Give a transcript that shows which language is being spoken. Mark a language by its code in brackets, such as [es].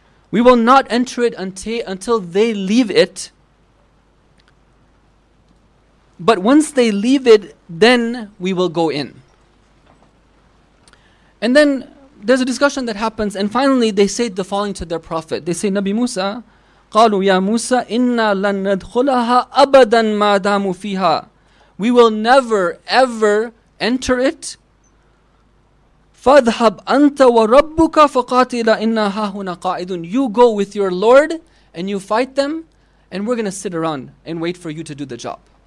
[en] We will not enter it until they leave it. But once they leave it, then we will go in. And then there's a discussion that happens, and finally they say the following to their Prophet. They say, Nabi Musa, [ar] قَالُوا يَا مُوسَى إِنَّا لَن نَدْخُلَهَا أَبَدًا مَا دَامُوا فِيهَا. [en] We will never ever enter it. [ar] فَاذْحَبْ أَنْتَ وَرَبُّكَ فَقَاتِلَ إِنَّا هَاهُنَا قَاعِدٌ. [en] You go with your Lord and you fight them, and we're going to sit around and wait for you to do the job.